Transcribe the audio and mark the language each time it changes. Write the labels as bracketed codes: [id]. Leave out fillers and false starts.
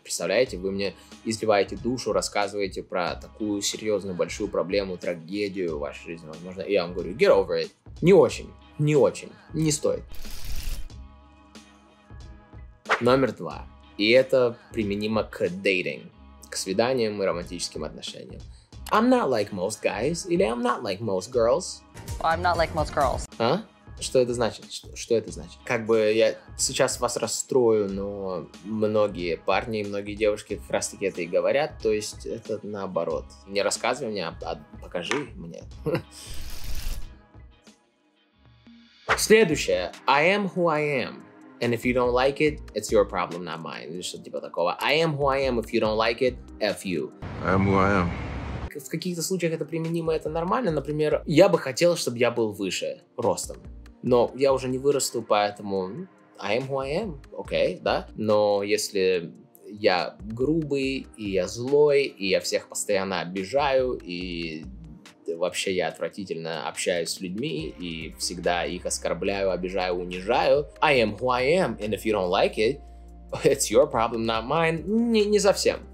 [ru] Представляете, вы мне изливаете душу, рассказываете про такую серьезную большую проблему, трагедию в вашей жизни, возможно, и я вам говорю, [en] get over it. [ru] Не очень, не стоит. Номер два. И это применимо к dating, к свиданиям и романтическим отношениям. [en] I'm not like most guys, или I'm not like most girls. I'm not like most girls. [ru] А? Что это значит? Что это значит? Как бы я сейчас вас расстрою, но многие парни и многие девушки как раз таки это и говорят. То есть это наоборот. Не рассказывай мне, а покажи мне. Следующее. [en] I am who I am. And if you don't like it, it's your problem, not mine. [ru] Или что-то типа такого. [en] I am who I am. If you don't like it, F you. I am who I am. [ru] В каких-то случаях это применимо, это нормально. Например, я бы хотел, чтобы я был выше ростом. Но я уже не вырасту, поэтому [en] I am who I am, [ru] окей, да? Но если я грубый, и я злой, и я всех постоянно обижаю, и вообще я отвратительно общаюсь с людьми, и всегда их оскорбляю, обижаю, унижаю, [en] I am who I am, and if you don't like it, it's your problem, not mine. [ru] Не совсем.